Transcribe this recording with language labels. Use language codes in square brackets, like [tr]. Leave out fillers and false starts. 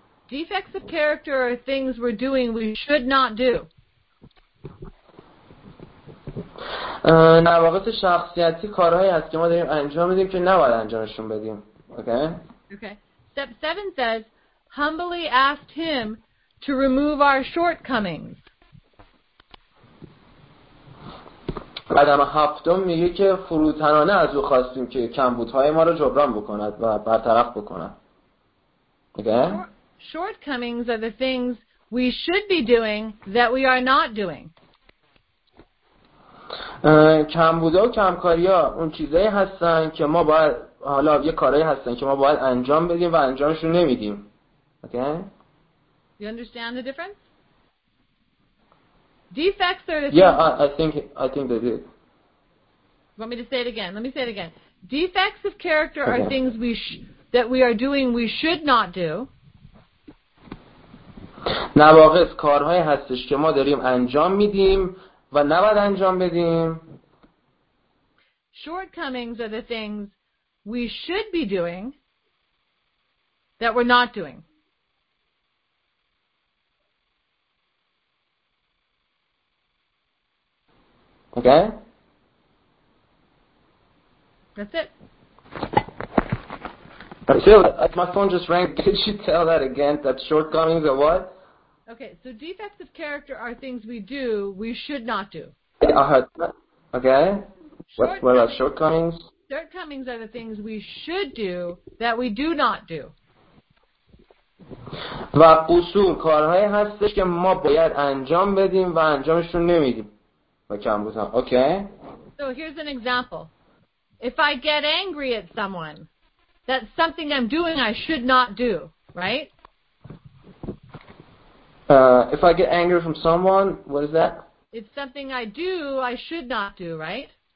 [en] Defects of character are things we're doing we should not do. [fa] نواقص شخصیتی کارهایی هست که ما داریم انجام میدیم که نباید انجامشون بدیم. [en] Okay? Okay. Step 7 says humbly asked him to remove our shortcomings. [fa] قدم هفتم میگه که فروتنانه از او خواستیم که کمبودهای ما رو جبران بکند و برطرف بکند. [en] Okay? Shortcomings are the things we should be doing that we are not doing. [fa] کمبودها و کمکاری‌ها اون چیزایی هستن که ما باید حالا یه کارهایی هستن که ما باید انجام بدیم و انجامش رو نمیدیم. [en] Okay? You understand the difference? Defects are the things... Yeah, I think they did. Want me to say it again? Let me say it again. Defects of character are things that we are doing we should not do. [fa] نواقص کارهای هستش که ما داریم انجام میدیم و نباید انجام بدیم. [en] Shortcomings are the things we should be doing that we're not doing. Okay. That's it. So, my phone just rang. Could you tell that again? That shortcomings are what? Okay, so defects of character are things we do, we should not do. I heard that. Okay. What about shortcomings? Shortcomings are the things we should do that we do not do. [fa] و قصور کارهایی هستش که ما باید انجام بدیم و انجامش رو نمیدیم. [en] Okay. So here's an example. If I get angry at someone, that's something I'm doing I should not do, right? If I get angry from someone, what is that? It's something I do I should not do, right?